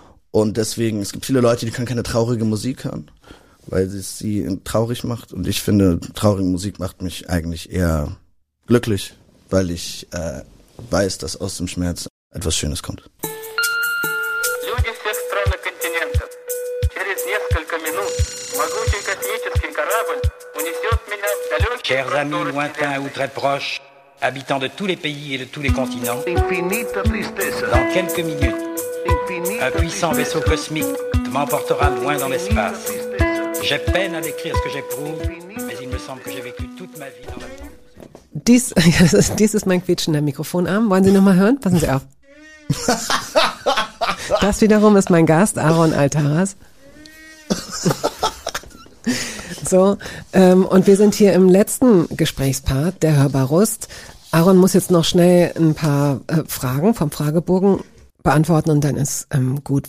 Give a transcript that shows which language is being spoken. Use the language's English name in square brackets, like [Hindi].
[German] Und deswegen, es gibt viele Leute, die können keine traurige Musik hören, weil es sie traurig macht. Und ich finde, traurige Musik macht mich eigentlich eher glücklich, weil ich weiß, dass aus dem Schmerz etwas Schönes kommt. [Russian] Люди всех стран и континентов. Через несколько минут могучий космический корабль унесет меня в далекий... [French] Chers amis lointains ou très proches, habitants de tous les pays et de tous les continents, dans quelques minutes, un puissant vaisseau cosmique m'emportera loin dans l'espace. J'ai peine à décrire ce que j'éprouve, mais il me semble que j'ai vécu toute ma vie dans la... [German] Dies ist mein quietschender Mikrofonarm. Wollen Sie nochmal hören? Passen Sie auf. Das wiederum ist mein Gast, Aaron Altaras. So, und wir sind hier im letzten Gesprächspart, der Hörbarust. Aaron muss jetzt noch schnell ein paar Fragen vom Fragebogen beantworten und dann ist gut.